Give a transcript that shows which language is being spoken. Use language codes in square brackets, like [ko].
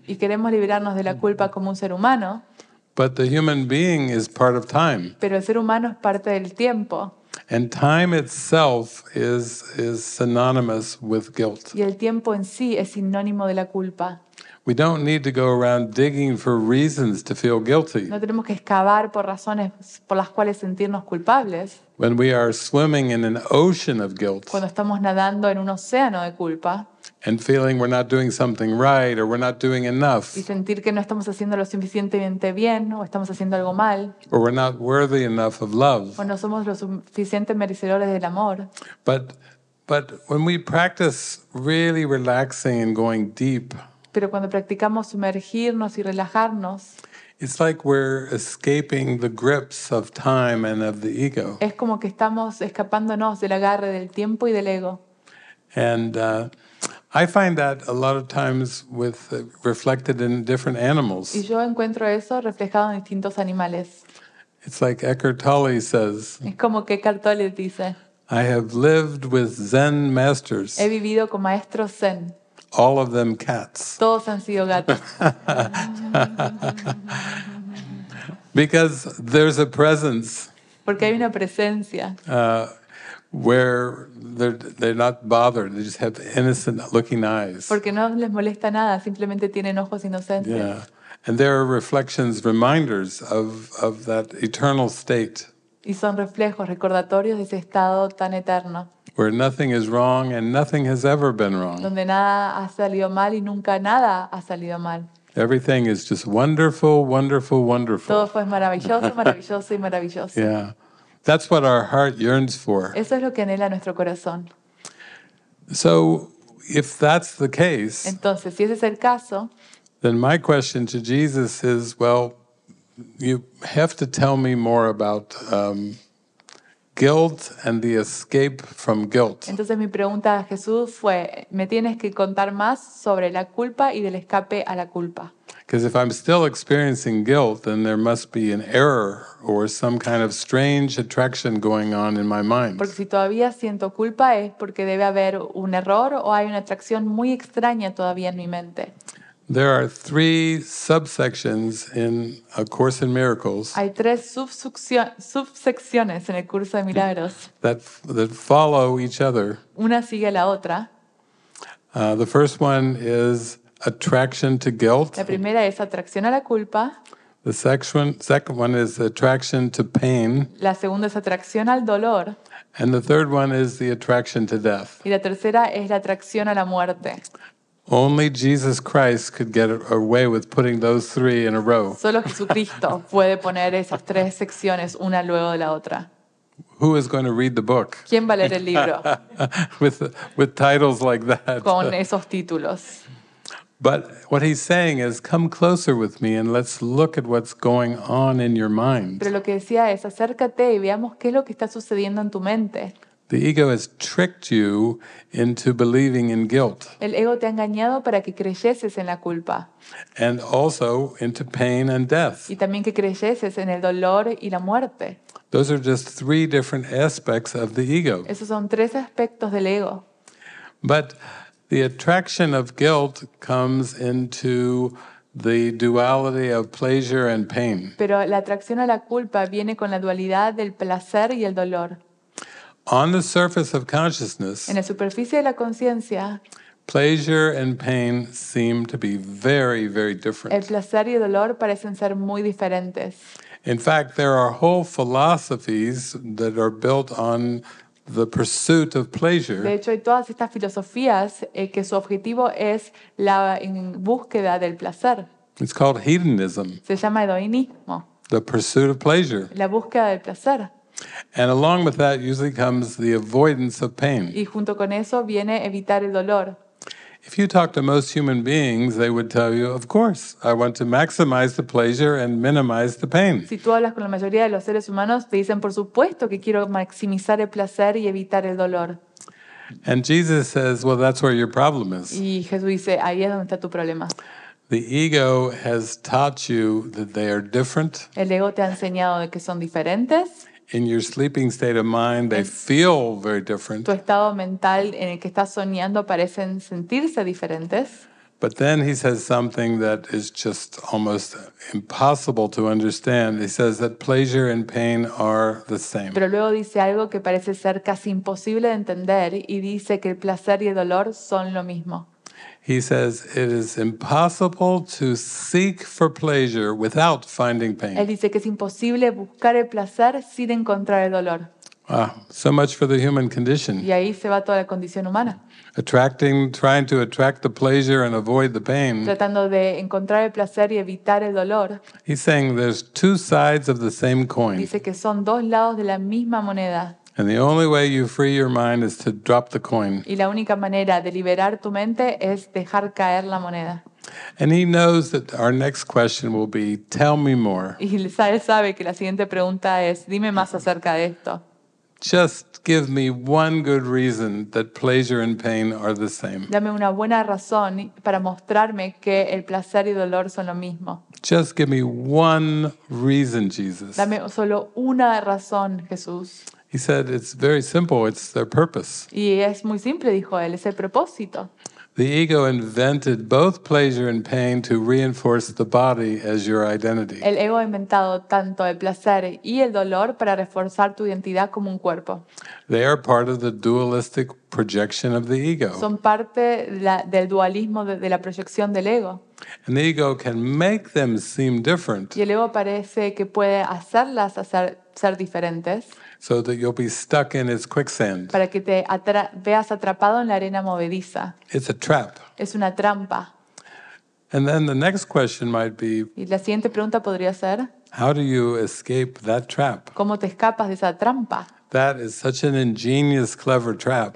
[es] Y queremos liberarnos de la culpa como un ser humano. [en] But the human being is part of time. [es] Pero el ser humano es parte del tiempo. [en] And time itself is synonymous with guilt. [es] Y el tiempo en sí es sinónimo de la culpa. [en] We don't need to go around digging for reasons to feel guilty. [es] No tenemos que excavar por razones por las cuales sentirnos culpables. [en] When we are swimming in an ocean of guilt. [es] Cuando estamos nadando en un océano de culpa. [en] And feeling we're not doing something right or we're not doing enough. [es] Y sentir que no estamos haciendo lo suficientemente bien o estamos haciendo algo mal. [en] Or we're not worthy enough of love. [es] O no somos lo suficiente merecedores del amor. [en] But when we practice really relaxing and going deep. [es] Pero cuando practicamos sumergirnos y relajarnos, [en] it's like we're escaping the grips of time and of the ego. [es] Es como que estamos escapándonos del agarre del tiempo y del ego. [en] And I find that a lot of times with reflected in different animals. [es] Y yo encuentro eso reflejado en distintos animales. [en] It's like Eckhart Tolle says. [es] Es como que Eckhart Tolle dice. [en] I have lived with Zen masters. [es] He vivido con maestros Zen. [en] All of them cats. [es] Todos han sido gatos. [en] Because there's a presence. [es] Porque hay una presencia. [en] Where they're not bothered. They just have innocent looking eyes. [es] Porque no les molesta nada. Simplemente tienen ojos inocentes. [en] Yeah. And there are reflections, reminders of that eternal state. [es] Y son reflejos, recordatorios de ese estado tan eterno. [en] Where nothing is wrong and nothing has ever been wrong. [es] Donde nada ha salido mal y nunca nada ha salido mal. [en] Everything is just wonderful, wonderful, wonderful. [es] Todo fue maravilloso, maravilloso y maravilloso. [en] Yeah. That's what our heart yearns for. [es] Eso es lo que anhela nuestro corazón. [en] So, if that's the case, [es] entonces, si ese es el caso, [en] then my question to Jesus is, well, you have to tell me more about guilt and the escape from guilt. [es] Entonces mi pregunta a Jesús fue, me tienes que contar más sobre la culpa y del escape a la culpa. [en] Because if I'm still experiencing guilt, then there must be an error or some kind of strange attraction going on in my mind. [es] Porque si todavía siento culpa es porque debe haber un error o hay una atracción muy extraña todavía en mi mente. [en] There are three subsections in A Course in Miracles. [es] Hay tres subsecciones en el curso de milagros. [en] That follow each other. [es] Una sigue la otra. [en] The first one is attraction to guilt. [es] La primera es atracción a la culpa. [en] The second one is attraction to pain. [es] La segunda es atracción al dolor. [en] And the third one is the attraction to death. [es] Y la tercera es la atracción a la muerte. [en] Only Jesus Christ could get away with putting those three in a row. [es] Solo Jesucristo puede poner esas tres secciones una luego de la otra. [en] Who is going to read the book? [es] ¿Quién va a leer el libro? [en] with titles like that. [es] Con esos títulos. [en] But what he's saying is, come closer with me and let's look at what's going on in your mind. [es] Pero lo que decía es, acércate y veamos qué es lo que está sucediendo en tu mente. [en] The ego has tricked you into believing in guilt. [es] El ego te ha engañado para que creyeses en la culpa. [en] And also into pain and death. [es] Y también que creyeses en el dolor y la muerte. [en] Those are just three different aspects of the ego. [es] Esos son tres aspectos del ego. [en] But the attraction of guilt comes into the duality of pleasure and pain. [es] Pero la atracción a la culpa viene con la dualidad del placer y el dolor. [en] On the surface of consciousness, [es] en la superficie de la conciencia, [en] pleasure and pain seem to be very, very different. [es] El placer y el dolor parecen ser muy diferentes. [en] In fact, there are whole philosophies that are built on the pursuit of pleasure. [es] De hecho, hay todas estas filosofías que su objetivo es la búsqueda del placer. [en] It's called hedonism. [es] Se llama hedonismo. [en] The pursuit of pleasure. [es] La búsqueda del placer. [en] And along with that usually comes the avoidance of pain. [es] Y junto con eso viene evitar el dolor. [en] If you talk to most human beings, they would tell you, of course, I want to maximize the pleasure and minimize the pain. [es] Si tú hablas con la mayoría de los seres humanos, te dicen, por supuesto que quiero maximizar el placer y evitar el dolor. [en] And Jesus says, well, that's where your problem is. [es] Y Jesús dice, ahí es donde está tu problema. [en] The ego has taught you that they are different. [es] El ego te ha enseñado que son diferentes. [en] In your sleeping state of mind, they feel very different. [es] Tu estado mental en el que estás soñando parecen sentirse diferentes. [en] But then he says something that is just almost impossible to understand. He says that pleasure and pain are the same. [es] Pero luego dice algo que parece ser casi imposible de entender y dice que el placer y el dolor son lo mismo. [en] He says it is impossible to seek for pleasure without finding pain. [es] Él dice que es imposible buscar el placer sin encontrar el dolor. [en] Ah, so much for the human condition. [es] Y ahí se va toda la condición humana. [en] Attracting, trying to attract the pleasure and avoid the pain. [es] Tratando de encontrar el placer y evitar el dolor. [en] He's saying there's two sides of the same coin. [es] Dice que son dos lados de la misma moneda. [en] And the only way you free your mind is to drop the coin. [es] Y la única manera de liberar tu mente es dejar caer la moneda. [en] And he knows that our next question will be, tell me more. [es] Y él sabe que la siguiente pregunta es, dime más acerca de esto. [en] Just give me one good reason that pleasure and pain are the same. [es] Dame una buena razón para mostrarme que el placer y dolor son lo mismo. [en] Just give me one reason, Jesus. [es] Dame solo una razón, Jesús. [en] He said, it's very simple, it's their purpose. [es] Y es muy simple, dijo él, es el propósito. [en] The ego invented both pleasure and pain to reinforce the body as your identity. [es] El ego ha inventado tanto el placer y el dolor para reforzar tu identidad como un cuerpo. [en] They are part of the dualistic projection of the ego. [es] Son parte del dualismo de la proyección del ego. [en] And the ego can make them seem different. [es] Y el ego parece que puede hacerlas ser diferentes. [en] So that you'll be stuck in its quicksand. [es] Para que te veas atrapado en la arena movediza. [en] It's a trap. [es] Es una trampa. [en] And then the next question might be. [es] Y la siguiente pregunta podría ser. [en] How do you escape that trap? [es] ¿Cómo te escapas de esa trampa? [en] That is such an ingenious, clever trap.